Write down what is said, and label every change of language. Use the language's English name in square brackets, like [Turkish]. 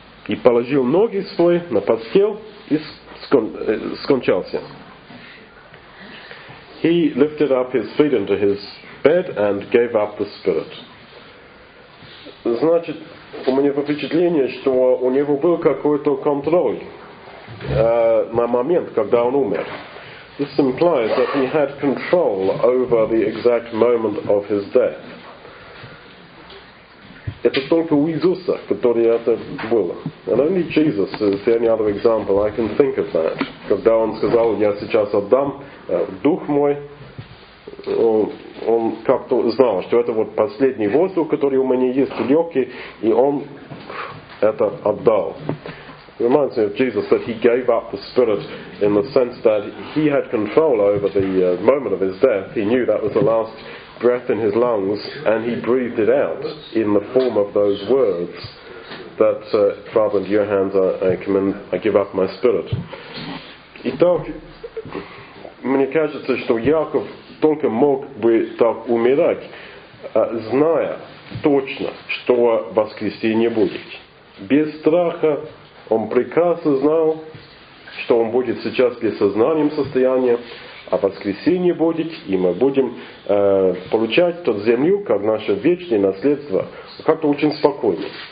[Russian] И положил ноги свои на постель и скончался. [English] He lifted up his feet into his bed and gave up the spirit. [Russian] Значит, у меня впечатление, что у него был какой-то контроль на момент, когда он умер. [English] This implies that he had control over the exact moment of his death. [Russian] Это только у Иисуса, который это было. [English] And only Jesus is the only other example I can think of that. [Russian] Когда он сказал, я сейчас отдам дух мой, он как-то знал, что это вот последний воздух, который у меня есть, легкий, и он это отдал. [English] It reminds me of Jesus that he gave up the spirit in the sense that he had control over the moment of his death. He knew that was the last breath in his lungs, and he breathed it out in the form of those words that, Father, into your hands I give up my spirit. [Russian] Итак, мне кажется, что Яков только мог бы так умирать, зная точно, что воскресенье будет. Без страха он прекрасно знал, что он будет сейчас без сознания состояния, а воскресенье будет, и мы будем получать тот землю, как наше вечное наследство, как-то очень спокойно.